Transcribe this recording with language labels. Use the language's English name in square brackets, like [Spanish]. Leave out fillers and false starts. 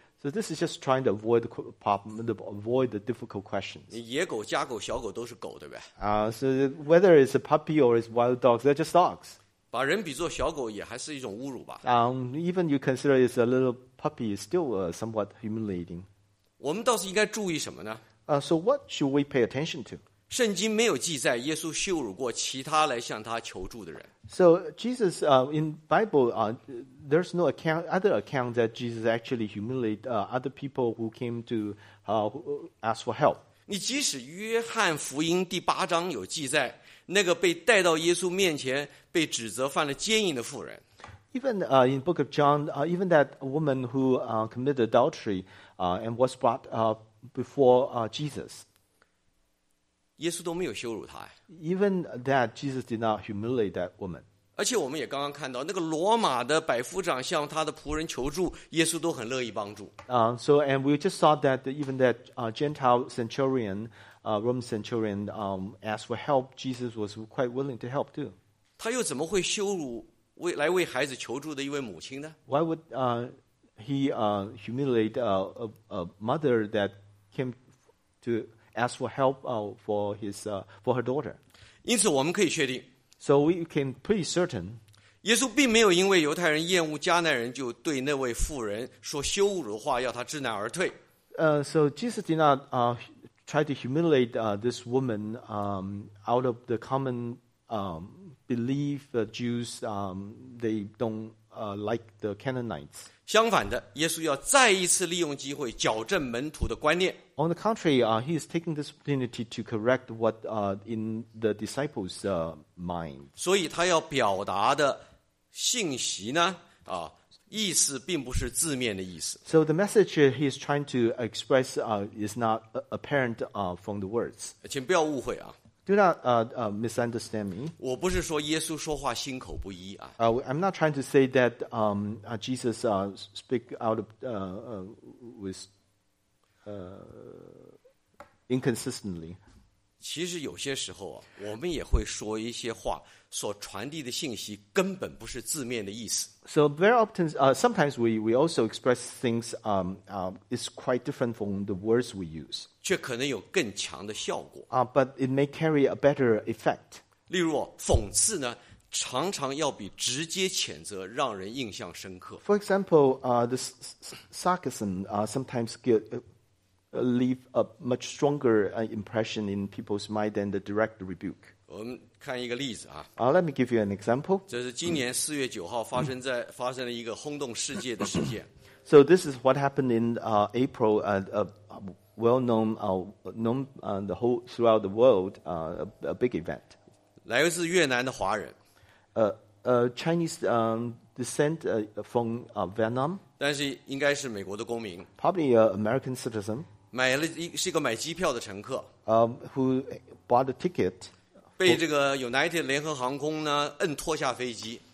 [English] So this is just trying to avoid the difficult questions. [Chinese] 野狗、家狗、小狗都是狗，对不对？ [English] So whether it's a puppy or it's wild dogs, they're just dogs. [Chinese] 把人比作小狗也还是一种侮辱吧。 [English] Even you consider it's a little puppy, it's still somewhat humiliating. [Chinese] 我们倒是应该注意什么呢？ [English] So what should we pay attention to? [Chinese] 圣经没有记载耶稣羞辱过其他来向他求助的人。 [English] So Jesus, in Bible, there's no account, other account that Jesus actually humiliated other people who came to ask for help. [Chinese] 你即使约翰福音第八章有记载，那个被带到耶稣面前被指责犯了奸淫的妇人。 [English] Even in Book of John, even that woman who committed adultery and was brought before Jesus. [Chinese] 耶稣都没有羞辱他。 [English] Even that, Jesus did not humiliate that woman. [Chinese] 而且我们也刚刚看到，那个罗马的百夫长向他的仆人求助，耶稣都很乐意帮助。 [English] So and we just saw that even that Gentile centurion, Roman centurion, asked for help. Jesus was quite willing to help too. [Chinese] 他又怎么会羞辱为来为孩子求助的一位母亲呢 [English] ？Why would he humiliate a mother that came to? Ask for help for her daughter. [Chinese] 因此我们可以确定 [English] So we can pretty certain. [Chinese] 耶稣并没有因为犹太人厌恶迦南人就对那位妇人说羞辱的话要她知难而退 [English] So Jesus did not try to humiliate this woman out of the common belief that Jews they don't like the Canaanites. [Chinese] 相反的耶稣要再一次利用机会矫正门徒的观念 [English] On the contrary, he is taking this opportunity to correct what in the disciples' mind. [Chinese] 所以他要表达的信息呢，意思并不是字面的意思。 [English] So the message he is trying to express is not apparent from the words. [Chinese] 请不要误会啊。 [English] Do not misunderstand me. [Chinese] 我不是说耶稣说话心口不一啊。 [English] I'm not trying to say that Jesus speak out of with. Inconsistently. [Chinese] 其实有些时候啊，我们也会说一些话，所传递的信息根本不是字面的意思。 [English] So very often, sometimes we also express things is quite different from the words we use. [Chinese] 却可能有更强的效果。 [English] But it may carry a better effect. [Chinese] 例如讽刺呢。常常要比直接谴责让人印象深刻。 [English] For example, the sarcasm sometimes leave a much stronger impression in people's mind than the direct rebuke. [Chinese] 我们看一个例子啊。 [English] Let me give you an example. [Chinese] 这是今年四月九号发生了一个轰动世界的事件。 [English] So this is what happened in April, throughout the world, a big event. [Chinese] 来自越南的华人。 [English] Chinese descent from Vietnam. [Chinese] 但是应该是美国的公民 [English] Probably American citizen. [Chinese] 买了一是一个买机票的乘客。 [English] Who bought a ticket? [Chinese] 被这个 United 联合航空呢摁拖下飞机。